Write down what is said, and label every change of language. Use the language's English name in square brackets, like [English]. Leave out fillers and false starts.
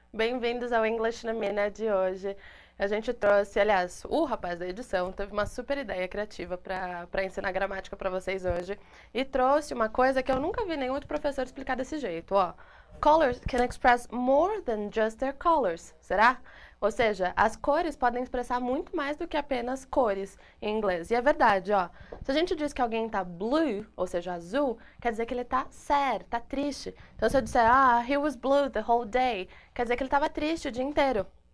[Portuguese] Bem-vindos ao English na Mina de hoje. A gente trouxe, aliás, o rapaz da edição teve uma super ideia criativa para ensinar gramática para vocês hoje e trouxe uma coisa que eu nunca vi nenhum outro professor explicar desse jeito, ó. [English] Colors can express more than just their colors, será? [Portuguese] Ou seja, as cores podem expressar muito mais do que apenas cores em inglês. E é verdade, ó. Se a gente diz que alguém tá blue, ou seja, azul, quer dizer que ele tá sad, tá triste. Então, se eu disser, ah, [English] he was blue the whole day, [Portuguese] quer dizer que ele tava triste o dia inteiro.